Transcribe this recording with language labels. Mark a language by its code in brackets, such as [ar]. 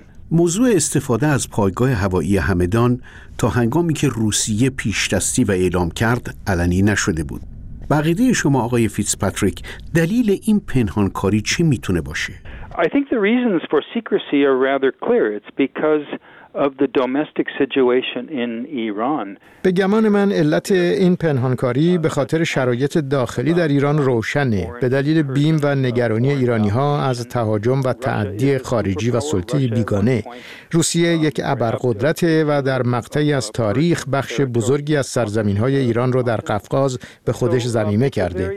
[fa] موضوع استفاده از پایگاه هوایی همدان تا هنگامی که روسیه پیشدستی و اعلام کرد علنی نشده بود. بقیده شما آقای فیتزپاتریک، دلیل این پنهانکاری چی میتونه باشه؟ [en] I think the reasons for secrecy are rather clear. It's because of the domestic situation in Iran. [fa] به گمان من علت این پنهانکاری به خاطر شرایط داخلی در ایران روشنه. به دلیل بیم و نگرانی ایرانی‌ها از تهاجم و تعدی خارجی و سلطه بیگانه. روسیه یک ابرقدرت و در مقطعی از تاریخ بخش بزرگی از سرزمین‌های ایران را در قفقاز به خودش ضمیمه کرده.